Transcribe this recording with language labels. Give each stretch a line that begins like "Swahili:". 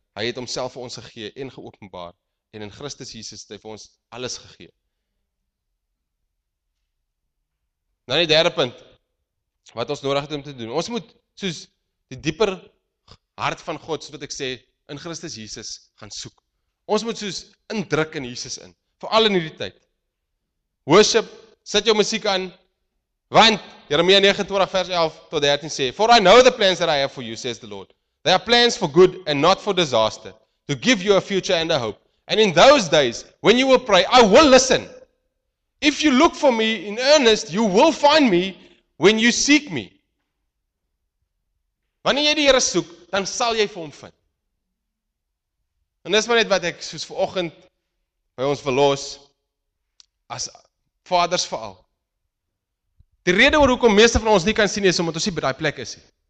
Afrikaans: Hy het homself vir ons gegee en geopenbaar en in Christus Jesus het hy vir ons alles gegee. Nou die derde punt wat ons nodig het om te doen. Ons moet soos die dieper hart van God, soos wat ek sê, in Christus Jesus gaan soek. Ons moet soos indruk in Jesus in, veral in hierdie tyd. Worship, sit jou musiek aan, want Jeremia 29 vers 11 tot 13 sê,
English: For I know the plans that I have for you, says the Lord. They are plans for good and not for disaster, to give you a future and a hope. And in those days, when you will pray, I will listen. If you look for me in earnest, you will find me when you seek me.
Afrikaans: Wanneer jy die Here soek, dan sal jy vir hom vind. En dis maar net wat ek soos vanoggend by ons verlos, as vaders veral. Die rede oor hoekom meeste van ons nie kan sien is omdat ons nie by daai plek is nie.